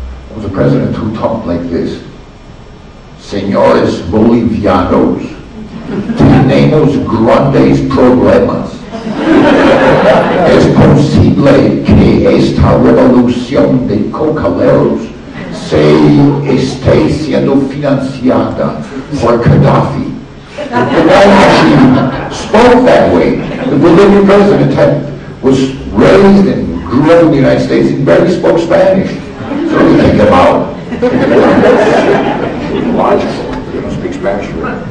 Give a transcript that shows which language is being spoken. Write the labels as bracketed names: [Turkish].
[English] It was a president who talked like this: [Spanish] "Señores Bolivianos, tenemos grandes problemas. Es posible que esta revolución de cocaleros se esté siendo financiada por Gaddafi." [English] The guy actually spoke that way. The Bolivian president was raised and grew up in the United States. He barely spoke Spanish. So you think about it. Logical. You don't speak Spanish here.